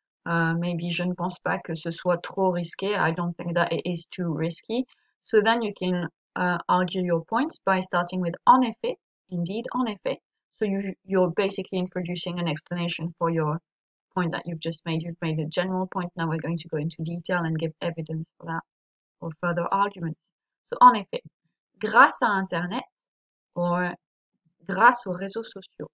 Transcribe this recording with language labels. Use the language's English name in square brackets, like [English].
[French] Maybe je ne pense pas que ce soit trop risqué. [English] I don't think that it is too risky. So then you can argue your points by starting with en effet, indeed, en effet. So you're basically introducing an explanation for your point that you've just made. You've made a general point. Now we're going to go into detail and give evidence for that or further arguments. [French] So en effet, grâce à Internet or grâce aux réseaux sociaux.